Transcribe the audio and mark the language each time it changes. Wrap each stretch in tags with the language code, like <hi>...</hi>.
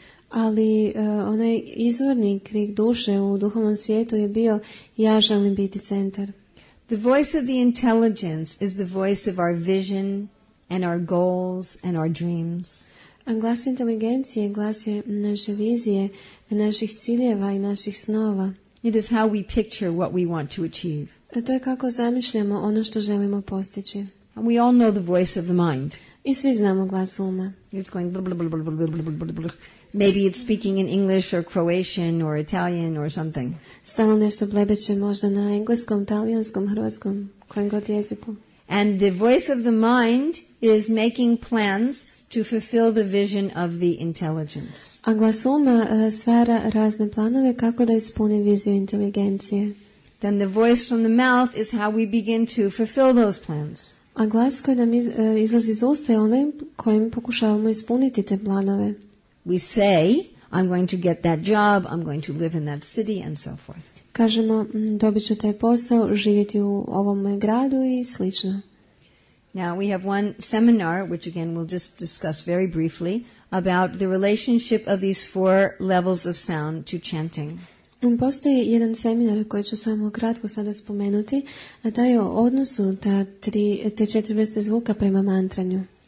<hr>Ali onaj izvorni krik duše u duhovnom svijetu je bio, ja želim biti centar.</hr> <en>The voice of the intelligence is the voice of our vision and our goals and our dreams.</en> <hr>Glas inteligencije, glas je naše vizije, naših ciljeva i naših snova.</hr> <en>It is how we picture what we want to achieve.</en> <hr>To je kako zamišljamo ono što želimo postići.</hr> <en>And we all know the voice of the mind.</en> <hr>I svi znamo glas uma.</hr> <en>It's going blah, blah, blah, blah, blah, blah, blah. Maybe it's speaking in English or Croatian or Italian or something.</en> <hr>Stalno nešto blebeće, možda na engleskom, talijanskom, hrvatskom, kojem god jeziku.</hr> <en>And the voice of the mind is making plans to fulfill the vision of the intelligence.</en> <hr>A glas uma stvara razne planove kako da ispuni viziju inteligencije.</hr> <en>Then the voice from the mouth is how we begin to fulfill those plans.</en> <hr>A glas koji nam izlazi iz usta je onaj kojim pokušavamo ispuniti te planove.</hr> <en>We say, I'm going to get that job, I'm going to live in that city, and so forth.</en> <hr>Kažemo, dobit ću taj posao, živjeti u ovom gradu i slično.</hr> <en>Now we have one seminar, which again we'll just discuss very briefly, about the relationship of these four levels of sound to chanting.</en> <hr>Postoji jedan seminar koji ću samo kratko sada spomenuti, a taj je o odnosu te četiri vrste zvuka prema mantranju.</hr>